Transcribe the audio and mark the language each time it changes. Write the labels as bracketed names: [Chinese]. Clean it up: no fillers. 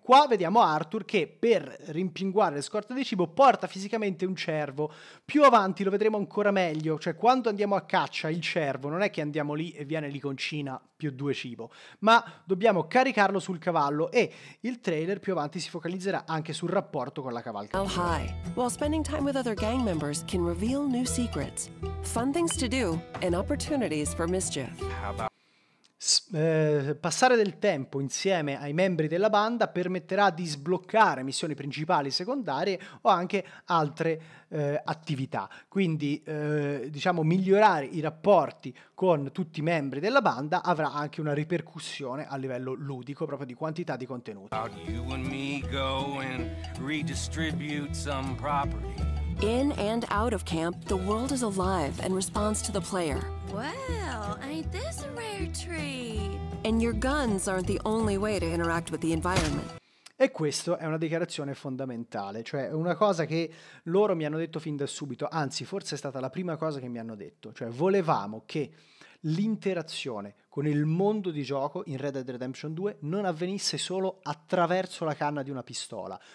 [Italian] Qua vediamo Arthur che, per rimpinguare le scorte di cibo, porta fisicamente un cervo. Più avanti lo vedremo ancora meglio, cioè quando andiamo a caccia il cervo non è che andiamo lì e viene lì con Cina più due cibo, ma dobbiamo caricarlo sul cavallo, e il trailer più avanti si focalizzerà anche sul rapporto con la cavalcata. [English] How high, while spending time with other gang members can reveal new secrets, fun things to do and opportunities for mischief. [Italian] Passare del tempo insieme ai membri della banda permetterà di sbloccare missioni principali, secondarie o anche altre attività, quindi diciamo migliorare i rapporti con tutti i membri della banda avrà anche una ripercussione a livello ludico, proprio di quantità di contenuti. [English] You and me go and redistribute some property. In and out of camp, the world is alive and responds to the player. Well, ain't this a rare treat? And your guns aren't the only way to interact with the environment. [Italian] E questo è una dichiarazione fondamentale, cioè una cosa che loro mi hanno detto fin da subito, anzi forse è stata la prima cosa che mi hanno detto, cioè volevamo che l'interazione con il mondo di gioco in Red Dead Redemption 2 non avvenisse solo attraverso la canna di una pistola.